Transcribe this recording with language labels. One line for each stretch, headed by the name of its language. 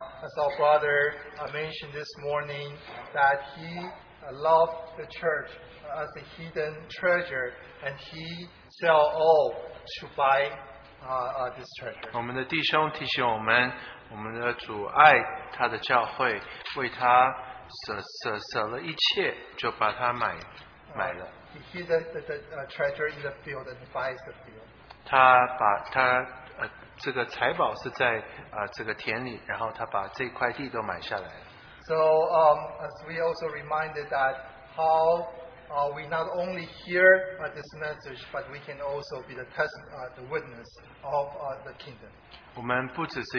English: as our brother mentioned this morning, that he loved the church as a hidden treasure, and he sell all to buy this treasure.
Chinese: 我们的弟兄提醒我们，我们的主爱他的教会，为他舍了一切，就把他买了。
English: He hid the treasure in the field and buys the field. So as we also reminded that how we not only hear this message, but we can also be the test the witness of the kingdom.